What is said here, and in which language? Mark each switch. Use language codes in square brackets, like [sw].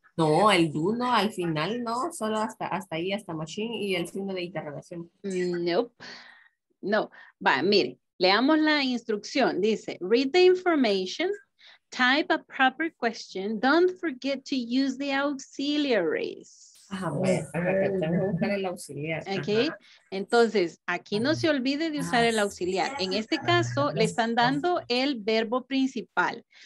[es] No, el do no, al final no, solo hasta ahí, hasta machine y el signo de interrogación. Nope. No. Va, mire, leamos la instrucción. Dice, [en] read the information, type a proper question, don't forget to use the auxiliaries. Okay. [es] Entonces, aquí no se olvide de usar el auxiliar. En este caso, le están dando el verbo principal.